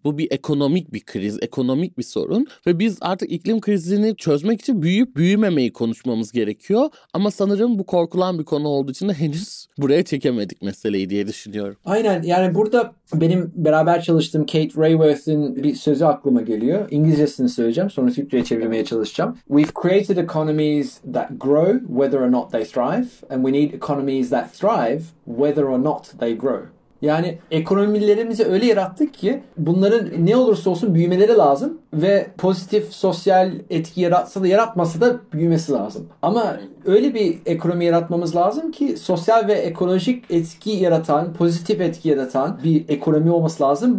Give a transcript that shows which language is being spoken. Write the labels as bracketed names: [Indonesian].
[Turkish] Bu bir ekonomik bir kriz, ekonomik bir sorun. Ve biz artık iklim krizini çözmek için büyüyüp büyümemeyi konuşmamız gerekiyor. Ama sanırım bu korkulan bir konu olduğu için de henüz buraya çekemedik meseleyi diye düşünüyorum. Aynen, yani burada benim beraber çalıştığım Kate Raworth'in bir sözü aklıma geliyor. İngilizcesini söyleyeceğim, sonra Türkçe'ye çevirmeye çalışacağım. [English] We've created economies that grow whether or not they thrive, and we need economies that thrive whether or not they grow. [Turkish] Yani ekonomilerimizi öyle yarattık ki bunların ne olursa olsun büyümeleri lazım ve pozitif sosyal etki yaratsa da yaratmasa da büyümesi lazım. Ama öyle bir ekonomi yaratmamız lazım ki sosyal ve ekolojik etki yaratan, pozitif etki yaratan bir ekonomi olması lazım.